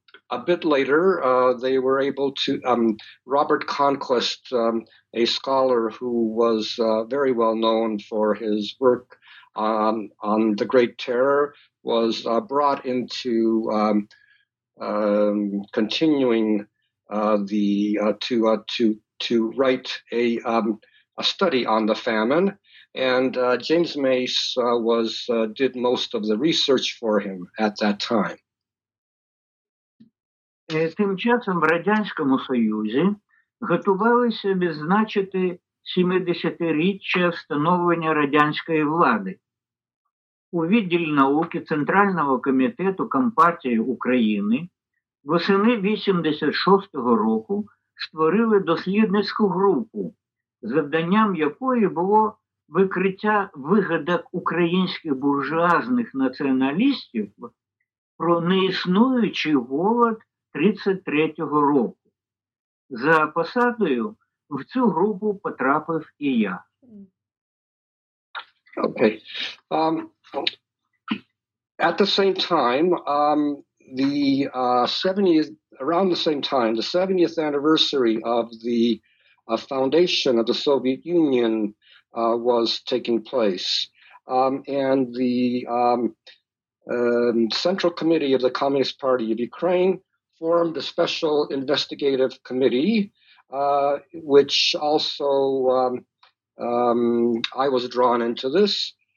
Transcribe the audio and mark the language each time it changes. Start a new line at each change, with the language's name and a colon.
English: a bit later, they were able to, Robert Conquest, a scholar who was very well known for his work on the Great Terror, was brought into continuing the to write a study on the famine, and James Mace did most of the research for him at that time.
Ukrainian: Тим часом в Радянському Союзі готувалися відзначити 70-річчя встановлення радянської влади. У відділі науки Центрального комітету Компартії України восени 86-го року створили дослідницьку групу, завданням якої було викриття вигадок українських буржуазних націоналістів про неіснуючий голод 33-го року. За посадою в цю групу потрапив і я.
English: Okay. At the same time, around the same time, the 70th anniversary of the foundation of the Soviet Union was taking place. And the Central Committee of the Communist Party of Ukraine formed a special investigative committee, which also I was drawn into this.